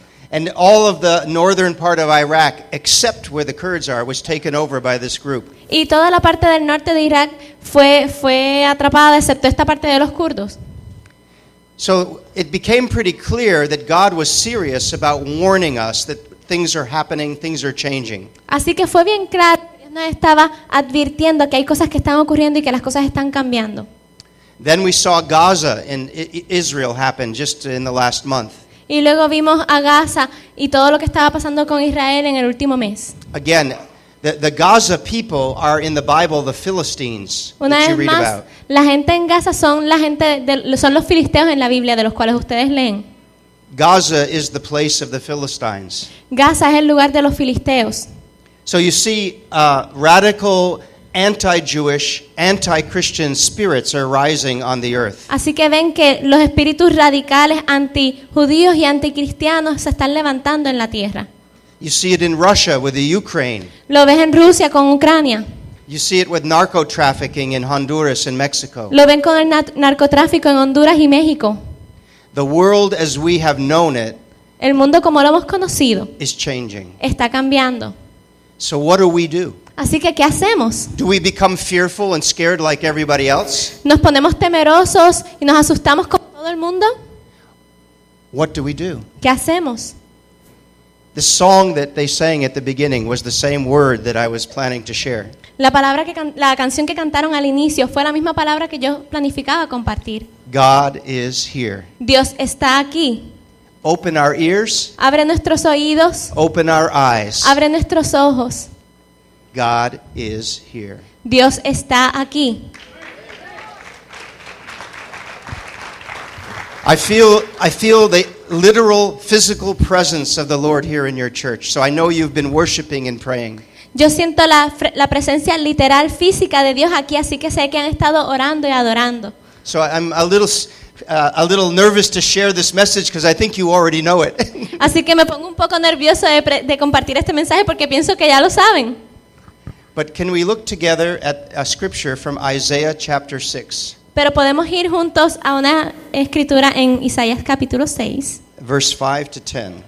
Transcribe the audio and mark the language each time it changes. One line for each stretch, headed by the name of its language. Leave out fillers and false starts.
English: And all of the northern part of Iraq, except where the Kurds are, was taken over by this group.
Spanish: Y toda la parte del norte de Irak fue atrapada, excepto esta parte de los kurdos.
English: So it became pretty clear that God was serious about warning us that things are happening, things are changing.
Spanish: Así que fue bien claro, Dios nos estaba advirtiendo que hay cosas que están ocurriendo y que las cosas están cambiando.
English: Then we saw Gaza in Israel happen just in the last month.
Spanish: Y luego vimos a Gaza y todo lo que estaba pasando con Israel en el último mes.
English: Again, the Gaza people are in the Bible the Philistines that you read
Spanish: Una vez más, la gente en Gaza son los filisteos en la Biblia de los cuales ustedes leen.
English: Gaza is the place of the Philistines.
Spanish: Gaza es el lugar de los filisteos.
English: So you see, radical anti-Jewish, anti-Christian spirits are rising on the earth.
Spanish: Así que ven que los espíritus radicales anti-judíos y anti-cristianos se están levantando en la tierra.
English: You see it in Russia with the Ukraine.
Spanish: Lo ves en Rusia con Ucrania.
English: You see it with narco-trafficking in Honduras and Mexico.
Spanish: Lo ven con el narcotráfico en Honduras y México.
English: The world as we have known it.
Spanish: El mundo como lo hemos conocido.
English: Is changing.
Spanish: Está cambiando.
English: So what do we do?
Spanish: Así que, ¿qué hacemos?
English: Do we become fearful and scared like everybody else?
Spanish: ¿Nos ponemos temerosos y nos asustamos como todo el mundo?
English: What do we do?
Spanish: ¿Qué hacemos?
English: The song that they sang at the beginning was the same word that I was planning to share.
Spanish: La canción que cantaron al inicio fue la misma palabra que yo planificaba compartir.
English: God is here.
Spanish: Dios está aquí.
English: Open our ears.
Spanish: Abre nuestros oídos.
English: Open our eyes.
Spanish: Abre nuestros ojos.
English: God is here.
Spanish: Dios está aquí.
English: I feel the literal physical presence of the Lord here in your church. So I know you've been worshiping and praying.
Spanish: Yo siento la presencia literal física de Dios aquí, así que sé que han estado orando y adorando.
English: So I'm a little nervous to share this message because I think you already know it.
Spanish: Así que me pongo un poco nervioso de compartir este mensaje porque pienso que ya lo saben.
English: But can we look together at a scripture from Isaiah chapter 6?
Spanish: Pero podemos ir juntos a una escritura en Isaías capítulo 6.
English: Verse 5 to 10.